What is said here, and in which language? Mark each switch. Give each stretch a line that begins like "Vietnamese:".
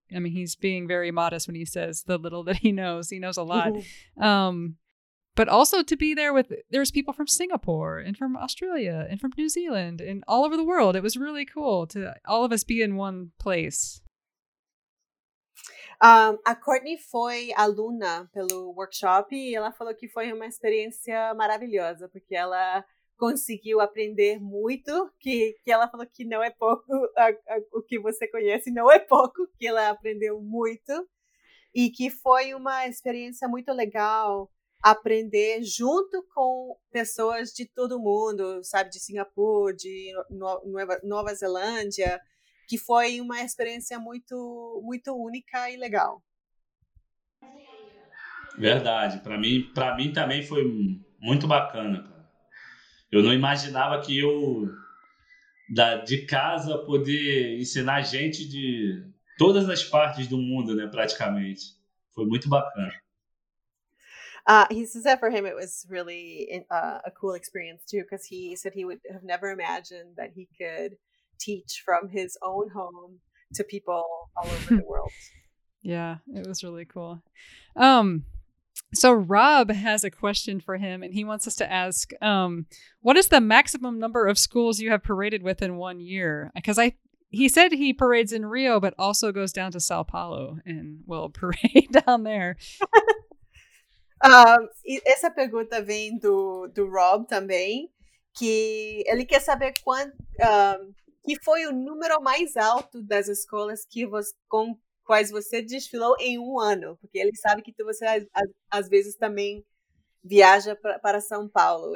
English: I mean, he's being very modest when he says the little that he knows a lot. But also to be there with, there's people from Singapore and from Australia and from New Zealand and all over the world. It was really cool to all of us be in one place.
Portuguese: A Courtney foi aluna pelo workshop e ela falou que foi uma experiência maravilhosa, porque ela conseguiu aprender muito, que ela falou que não é pouco, o que você conhece não é pouco, que ela aprendeu muito, e que foi uma experiência muito legal aprender junto com pessoas de todo mundo, sabe, de Singapura, de Nova Zelândia, que foi uma experiência muito, muito única e legal. Verdade. Para mim também foi muito bacana, cara. Eu não imaginava que eu, de casa, poder ensinar gente de todas as partes do mundo, né, praticamente. Foi muito bacana.
English: He says that for him it was really a cool experience, too, because he said he would have never imagined that he could teach from his own home to people all over the world. Yeah, it was really cool. So Rob has a question for him, and he wants us to ask, what is the maximum number of schools you have paraded with in 1 year? Because he said he parades in Rio, but also goes down to Sao Paulo and will parade down there.
Portuguese: Essa pergunta vem do Rob também, que ele quer saber que foi o número mais alto das escolas com quais você desfilou em 1 ano, porque ele sabe que você às vezes também viaja para São Paulo.